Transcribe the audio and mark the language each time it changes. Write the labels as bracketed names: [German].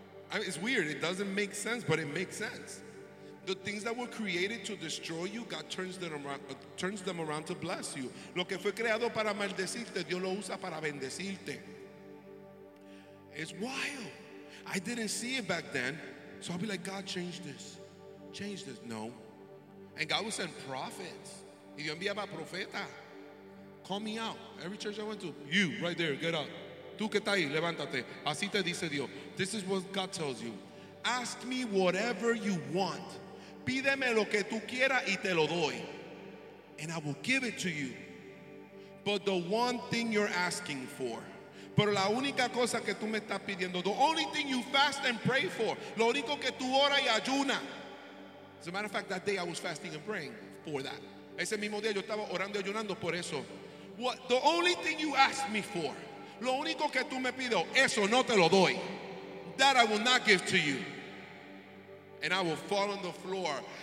[English] I mean, it's weird. It doesn't make sense, but it makes sense. The things that were created to destroy you, God turns them around to bless you. [Spanish] Lo que fue creado para maldecirte, Dios lo usa para bendecirte. [English] It's wild. I didn't see it back then. So I'll be like, God, change this. Change this. No. And God would send prophets. [Spanish] Y Dios enviaba profeta. [English] Call me out. Every church I went to, you, right there, get up. [Spanish] Tú que estás ahí, levántate. Así te dice Dios. [English] This is what God tells you. Ask me whatever you want. [Spanish] Pídeme lo que tú quieras y te lo doy. [English] And I will give it to you. But the one thing you're asking for. [Spanish] Pero la única cosa que tú me estás pidiendo. [English] The only thing you fast and pray for. [Spanish] Lo único que tú oras y ayunas. [English] As a matter of fact, that day I was fasting and praying for that. [Spanish] Ese mismo día yo estaba orando y ayunando por eso. [English] What, the only thing you ask me for. [Spanish] Lo único que tú me pido, eso no te lo doy. [English] That I will not give to you. And I will fall on the floor.